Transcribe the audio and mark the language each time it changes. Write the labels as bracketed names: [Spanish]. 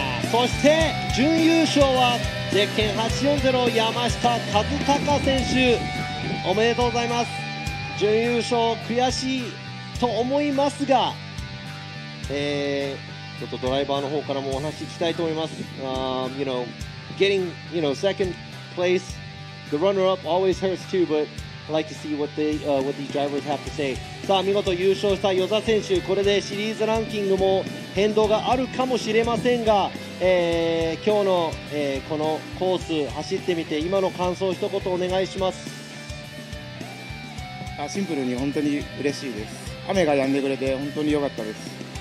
[Japanese] そして準優勝はゼッケン840山下和孝選手、おめでとうございます。準優勝悔しいと思いますが、ちょっとドライバーの方からもお話聞きたいと思います。 [English] You know, getting, you know, second place, the runner-up always hurts too, but I'd like to see what these drivers have to say. [Japanese] さあ、見事優勝したヨザ選手、これでシリーズランキングも変動があるかもしれませんが、今日の、このコース走ってみて、今の感想を一言お願いします。あ、シンプルに本当に嬉しいです。雨が止んでくれて本当に良かったです。